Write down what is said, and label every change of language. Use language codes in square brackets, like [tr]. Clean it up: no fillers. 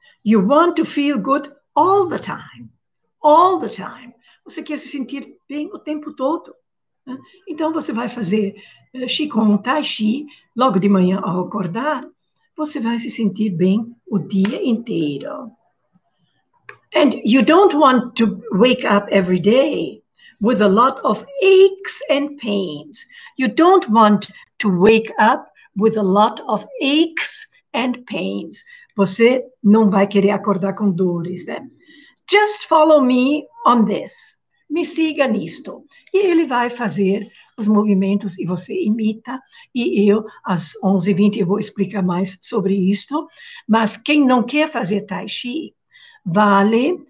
[en] You want to feel good all the time. All the time. [pt] Você quer se sentir bem o tempo todo. Então, você vai fazer Qigong, Tai Chi, logo de manhã ao acordar, você vai se sentir bem o dia inteiro. [en] And you don't want to wake up every day with a lot of aches and pains. You don't want to wake up with a lot of aches and pains. [pt] Você não vai querer acordar com dores, né? [en] Just follow me on this. [pt] Me siga nisto. E ele vai fazer os movimentos e você imita. E eu, às 11h20, vou explicar mais sobre isto. Mas quem não quer fazer Tai Chi, vale.